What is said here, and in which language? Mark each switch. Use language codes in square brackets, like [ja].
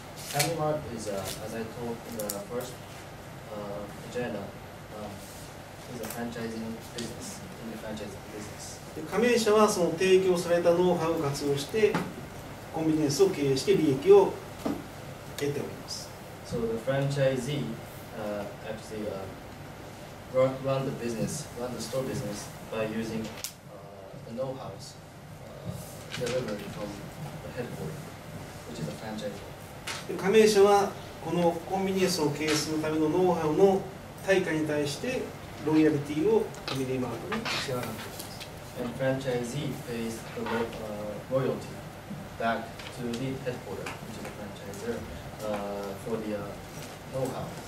[en] Family Mart is, as I told in the first agenda, is a franchising business, in the franchising business. [ja] で、加盟者はその提供されたノウハウを活用してコンビニエンスを経営して利益を得ております。 [en] So the franchisee, actually, run the business, run the store business by using the know-how delivered from the headquarters, which is a franchise. [ja] 加盟者はこのコンビニエンスを経営するためのノウハウの対価に対してロイヤリティをファミリーマートに支払っています。 [en] And franchisee pays the royalty back to the headquarters, which is a franchiser, for the know-how.